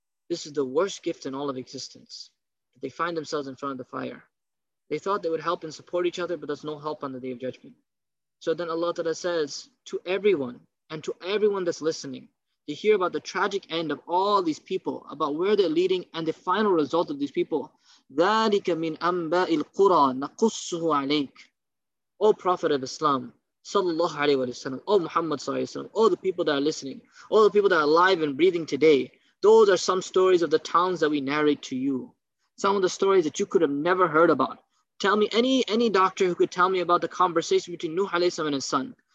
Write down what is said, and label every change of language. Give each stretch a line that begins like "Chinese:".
English: This is the worst gift in all of existence. They find themselves in front of the fire. They thought they would help and support each other, but there's no help on the Day of Judgment. So then Allah Ta'ala says to everyone and to everyone that's listening, to hear about the tragic end of all these people, about where they're leading and the final result of these people,
Arabic: ذلك من أنباء القرى نقصه عليك.
English: O Prophet of Islam, sallallahu alayhi wa sallam, O Muhammad sallallahu alayhi wa sallam, all the people that are listening, all the people that are alive and breathing today, those are some stories of the towns that we narrate to you. Some of the stories that you could have never heard about. Tell me any doctor who could tell me about the conversation between Nuh alayhi salam and his son.